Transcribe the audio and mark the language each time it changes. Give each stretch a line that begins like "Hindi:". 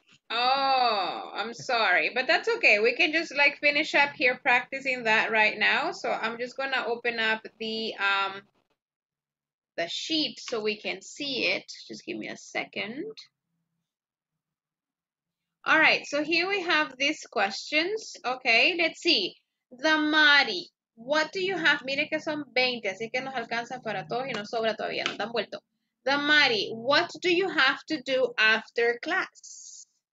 English: Oh, I'm sorry. But that's okay. We can just like finish up here practicing that right now. So I'm just going to open up the sheet so we can see it. Just give me a second. All right, so here we have these questions. Okay, let's see. Damari, what do you have?
Spanish: Mire que son 20, así que nos alcanza para todos y nos sobra todavía, no están vuelto.
English: Damari, what do you have to do after class?